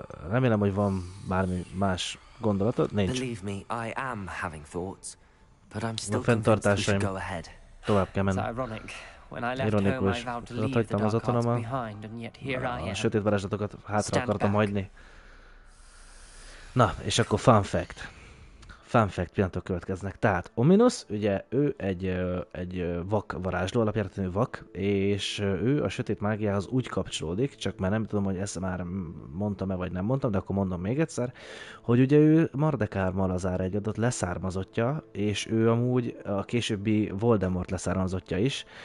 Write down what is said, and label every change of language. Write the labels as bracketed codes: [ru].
[hu] remélem, hogy van bármi más gondolatod. Nincs. [en] Believe me, I am having thoughts, but I'm still convinced we should go ahead. [hu] Tovább kell menni. [en] It's ironic. When I left home, I vowed to leave the dark arts behind, and yet here I am. [hu] A sötét varázslatokat hátra akartam hagyni. Na, és akkor fun fact. Fun fact pillanatok következnek. Tehát Ominous, ugye ő egy vak varázsló, alapjáratlanul vak, és ő a sötét mágiához úgy kapcsolódik, csak már nem tudom, hogy ezt már mondtam-e vagy nem mondtam, de akkor mondom még egyszer, hogy ugye ő Mardekár Malazár egy adott leszármazottja, és ő amúgy a későbbi Voldemort leszármazottja is,